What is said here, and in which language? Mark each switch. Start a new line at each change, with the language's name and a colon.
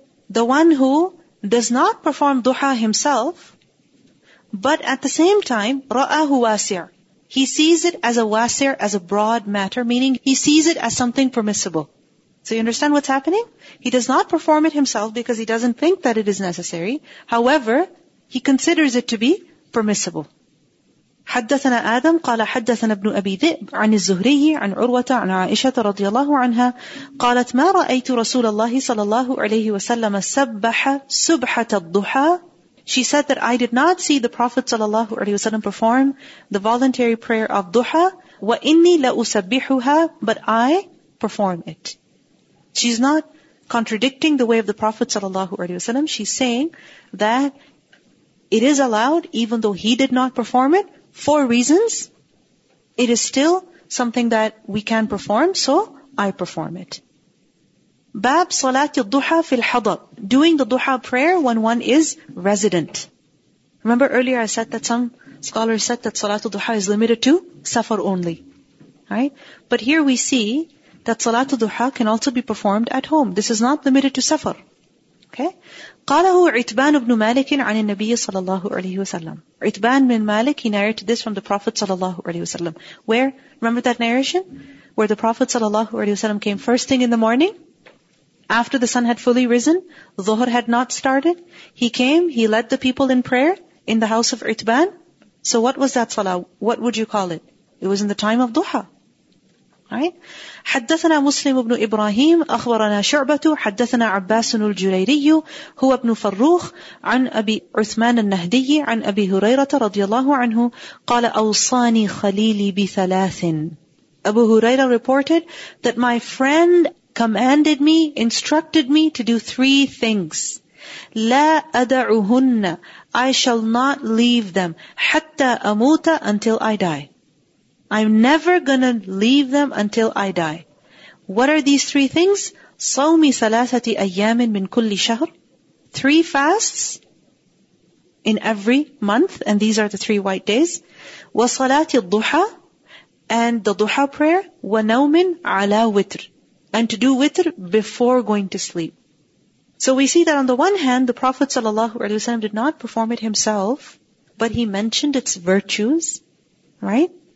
English: The one who does not perform duha himself, but at the same time,
Arabic: ra'ahu wasi'an.
English: He sees it as a wasi', as a broad matter, meaning he sees it as something permissible. So you understand what's happening? He does not perform it himself because he doesn't think that it is necessary. However, he considers it to be permissible.
Arabic: حدثنا آدم قال حدثنا ابن أبي ذئب عن الزهري عن عروة عن عائشة رضي الله عنها قالت ما رأيت رسول الله صلى الله عليه وسلم سبح سبحة الضحى.
English: She said that I did not see the Prophet صلى الله عليه وسلم perform the voluntary prayer of duha.
Arabic: وإني لأسبحها,
English: but I perform it. She's not contradicting the way of the Prophet ﷺ. She's saying that it is allowed even though he did not perform it for reasons. It is still something that we can perform, so I perform it.
Arabic: Bab salati duha fil hadar.
English: Doing the duha prayer when one is resident. Remember earlier I said that some scholars said that salatul duha is limited to safar only. Right? But here we see that salatul duha can also be performed at home. This is not limited to safar. Okay.
Arabic: قاله عتبان بن مالك عن النبي صلى الله عليه وسلم.
English: عتبان بن مالك, he narrated this from the Prophet صلى الله عليه وسلم. Where? Remember that narration? Where the Prophet صلى الله عليه وسلم came first thing in the morning? After the sun had fully risen? Dhuhr had not started? He came, he led the people in prayer in the house of Utban. So what was that salah? What would you call it? It was in the time of duha. Right?
Arabic: حدثنا مسلم بن إبراهيم أخبرنا شعبة حدثنا عباس الجريري هو ابن فروخ عن أبي عثمان النهدي عن أبي هريرة رضي الله عنه قال أوصاني خليلي بثلاث.
English: Abu Huraira reported that my friend commanded me, instructed me to do three things.
Arabic: لا أدعهن,
English: I shall not leave them.
Arabic: حتى أموت,
English: until I die. I'm never gonna leave them until I die. What are these three things?
Arabic: صومي ثلاثة أيام من كل شهر.
English: Three fasts in every month, and these are the three white days.
Arabic: وصلاة الضحى,
English: and the duha prayer.
Arabic: ونوم على وتر,
English: and to do witr before going to sleep. So we see that on the one hand, the Prophet ﷺ did not perform it himself, but he mentioned its virtues, right?